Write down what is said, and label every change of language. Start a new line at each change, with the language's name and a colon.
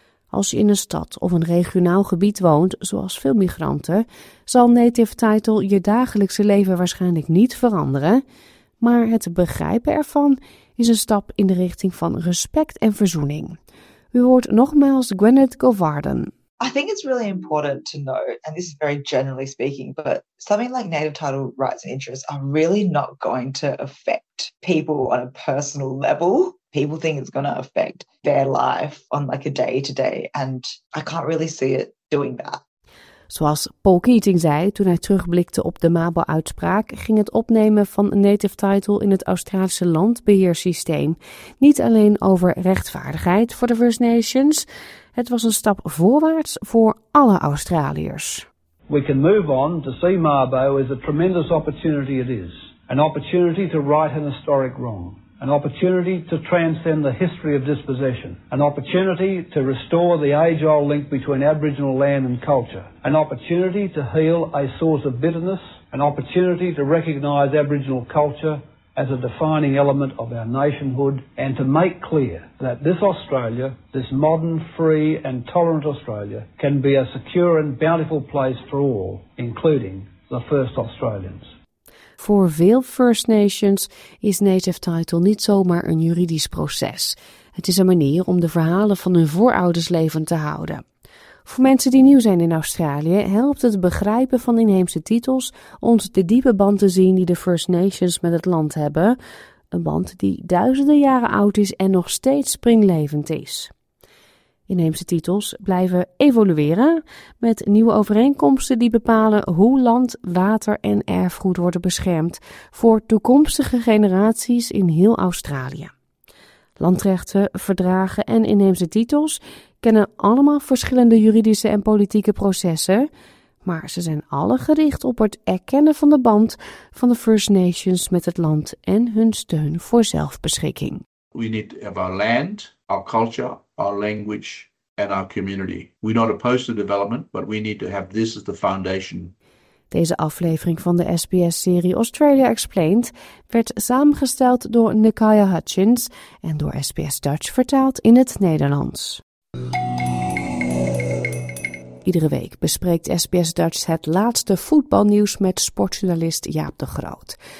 Dutch: Als je in een stad of een regionaal gebied woont, zoals veel migranten, zal Native Title je dagelijkse leven waarschijnlijk niet veranderen, maar het begrijpen ervan is een stap in de richting van respect en verzoening. U hoort nogmaals Gwyneth Govarden.
English: I think it's really important to note, and this is very generally speaking, but something like native title rights and interests are really not going to affect people on a personal level. People think it's going to affect their life on like a day-to-day, and I can't really see it doing that.
Dutch: Zoals Paul Keating zei toen hij terugblikte op de Mabo-uitspraak, ging het opnemen van Native Title in het Australische landbeheersysteem niet alleen over rechtvaardigheid voor de First Nations. Het was een stap voorwaarts voor alle Australiërs.
English: We can move on to see Mabo as a tremendous opportunity it is. An opportunity to right an historic wrong. An opportunity to transcend the history of dispossession. An opportunity to restore the age-old link between Aboriginal land and culture. An opportunity to heal a source of bitterness. An opportunity to recognise Aboriginal culture as a defining element of our nationhood. And to make clear that this Australia, this modern, free and tolerant Australia, can be a secure and bountiful place for all, including the first Australians.
Dutch: Voor veel First Nations is Native Title niet zomaar een juridisch proces. Het is een manier om de verhalen van hun voorouders levend te houden. Voor mensen die nieuw zijn in Australië helpt het begrijpen van inheemse titels ons de diepe band te zien die de First Nations met het land hebben. Een band die duizenden jaren oud is en nog steeds springlevend is. Inheemse titels blijven evolueren met nieuwe overeenkomsten die bepalen hoe land, water en erfgoed worden beschermd voor toekomstige generaties in heel Australië. Landrechten, verdragen en inheemse titels kennen allemaal verschillende juridische en politieke processen, maar ze zijn alle gericht op het erkennen van de band van de First Nations met het land en hun steun voor zelfbeschikking.
English: We need our land, our culture, our language and our community. We're not opposed to development, but we need to have this as the foundation.
Dutch: Deze aflevering van de SBS-serie Australia Explained werd samengesteld door Nikaya Hutchins en door SBS Dutch vertaald in het Nederlands. Iedere week bespreekt SBS Dutch het laatste voetbalnieuws met sportjournalist Jaap de Groot.